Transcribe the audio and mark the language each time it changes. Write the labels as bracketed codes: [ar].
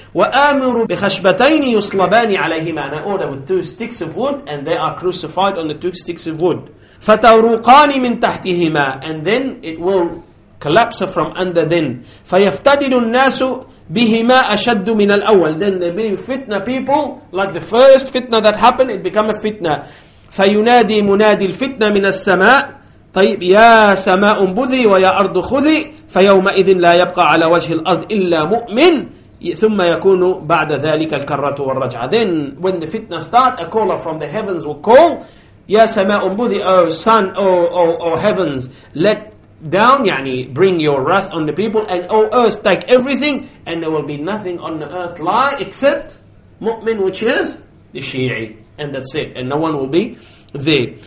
[ar] وَآمِرُ بِخَشْبَتَيْنِ يُصْلَبَانِ عَلَيْهِمَا, [en] and I order with two sticks of wood, and they are crucified on the two sticks of wood. [ar] فَتَوْرُقَانِ مِنْ تَحْتِهِمَا, [en] and then it will collapse from under them. [ar] فَيَفْتَدِلُ النَّاسُ بِهِمَا أَشَدُّ مِنَ الْأَوَّلِ, [en] then they be fitna people, like the first fitna that happened, it become a fitna. [ar] فَيُنَادِي مُنَادِي الْفِتْنَةِ مِنَ السَّمَاءِ, طيب يا سماء بذي ويا أرض خذي, فيومئذ لا يبقى على وجه الأرض إلا مؤمن, ثم يكون بعد ذلك الكرة والرجعة. [en] Then when the fitna start, a caller from the heavens will call, [ar] يا سماء بذي, [en] O sun, O heavens, let down, يعني bring your wrath on the people, and O earth, take everything, and there will be nothing on the earth lie except مؤمن, which is the Shi'i, and that's it, and no one will be there.